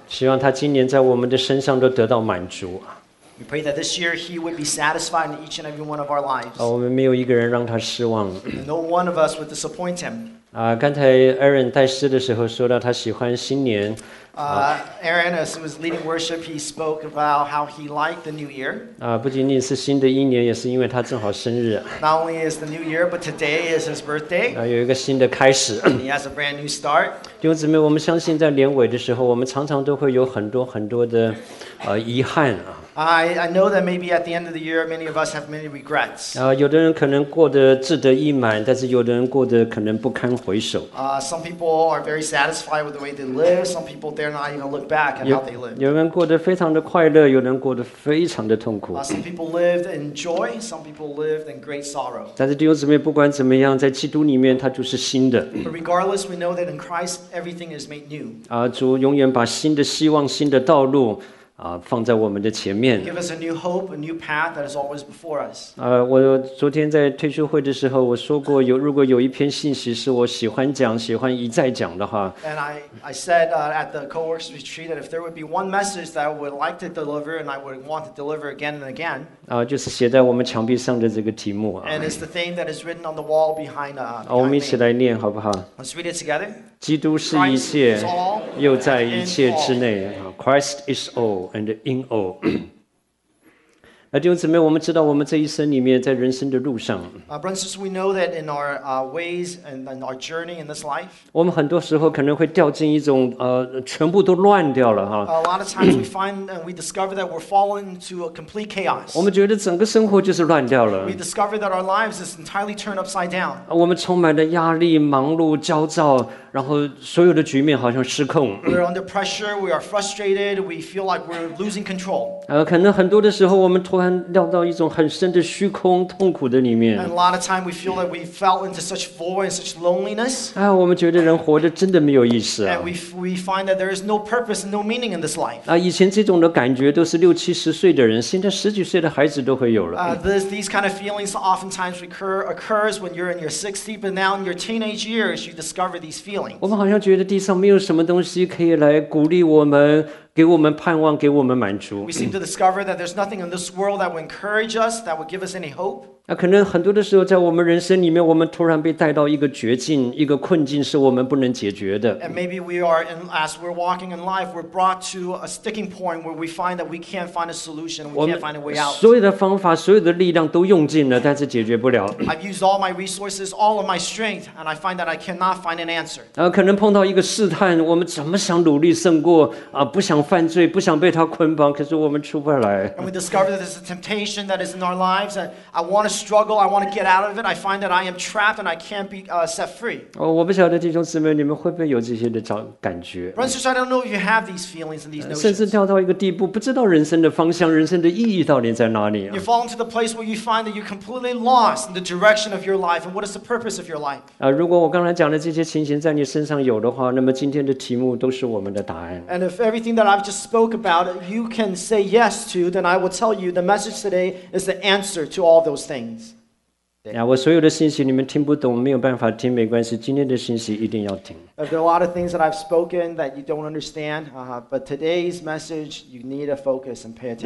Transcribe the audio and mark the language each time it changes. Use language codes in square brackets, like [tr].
[zh] 希望他今年在我们的身上都得到满足。 [en] We pray that this year he would be satisfied in each and every one of our lives. [zh] 我们没有一个人让他失望。 [en] No one of us would disappoint him. [zh] 刚才 Aaron 带诗的时候说到他喜欢新年。 [en] Aaron, as he was leading worship, he spoke about how he liked the new year. [zh] 不仅仅是新的一年，也是因为他正好生日。 [en] Not only is the new year, but today is his birthday. [zh] 有一个新的开始。 [en] He has a brand new start. [zh] 弟兄姊妹，我们相信在年尾的时候，我们常常都会有很多很多的遗憾啊。 [en] I know that maybe at the end of the year, many of us have many regrets. [zh] 有的人可能过得志得意满，但是有的人过得可能不堪回首。 [en] Some people are very satisfied with the way they live. Some people dare not even look back at how they live. [zh] 有人过得非常的快乐，有人过得非常的痛苦。 [en] Some people lived in joy. Some people lived in great sorrow. [zh] 但是弟兄姊妹，不管怎么样，在基督里面，它就是新的。 [en] But regardless, we know that in Christ, everything is made new. [zh] 主永远把新的希望、新的道路。放在我们的前面。 [en] Give us a new hope, a new path that is always before us. [zh] 我昨天在退休会的时候，我说过有如果有一篇信息是我喜欢讲、喜欢一再讲的话。 [en] And I said at the co-workers retreat that if there would be one message that I would like to deliver and I would want to deliver again and again. [zh] 就是写在我们墙壁上的这个题目。 [en] And it's the thing that is written on the wall behind. [zh] 我们一起来念好不好 [en] ？Let's read it together. [zh] 基督是一切，又在一切之内。 [en] Christ is all. And in all. [zh] 弟兄姊妹，我们知道我们这一生里面，在人生的路上。 [en] Brothers, we know that in our ways and in our journey in this life. [zh] 我们很多时候可能会掉进一种全部都乱掉了哈。 [en] A lot of times we find and we discover that we're falling into a complete chaos. [zh] 我们觉得整个生活就是乱掉了。 [en] We discover that our lives is entirely turned upside down. [zh] 我们充满了压力、忙碌、焦躁。然后所有的局面好像失控。 [en] We're under pressure. We are frustrated. We feel like we're losing control. [zh] 可能很多的时候，我们突然掉到一种很深的虚空、痛苦的里面。 [en] And a lot of time, we feel like we fell into such void and such loneliness. [zh] 我们觉得人活着真的没有意思啊。 [en] And we find that there is no purpose and no meaning in this life. [zh] 以前这种的感觉都是六七十岁的人，现在十几岁的孩子都会有了。 [en] These kind of feelings oftentimes occurs when you're in your 60s, but now in your teenage years, you discover these feelings. [zh] 我们好像觉得地上没有什么东西可以来鼓励我们给我们盼望给我们满足。 [en] We seem to discover that there's nothing in this world that would encourage us, that would give us any hope. [zh] 可能很多的时候在我们人生里面我们突然被带到一个绝境一个困境是我们不能解决的。 [en] And maybe we are, as we're walking in life, we're brought to a sticking point where we find that we can't find a solution, we can't find a way out. [zh] 所有的方法所有的力量都用尽了但是解决不了。 [en] I've used all my resources, all of my strength, and I find that I cannot find an answer. [zh] 可能碰到一个试探我们怎么想努力胜过不想犯罪不想被他捆绑可是我们出不来。 [en] And we discover that there's a temptation that is in our lives and I want to struggle, I want to get out of it, I find that I am trapped and I can't be set free. [zh] 我不晓得弟兄姊妹你们会不会有这些的感觉。 [en] Brothers, I don't know if you have these feelings and these notions. [zh] 甚至掉到一个地步不知道人生的方向人生的意义到底在哪里。 [en] You fall into the place where you find that you're completely lost in the direction of your life and what is the purpose of your life. [zh] 如果我刚才讲的这些情形在你身上有的话那么今天的题目都是我们的答案。 [en] And if everything that I've just spoke about it, you can say yes to, then I will tell you the message today is the answer to all those things. [zh] Yeah, 我所有的信息你们听不懂没有办法听没关系今天的信息一定要听。 [en] If there are a lot of things that I've spoken that you don't understand, but today's message, you need to focus and pay attention.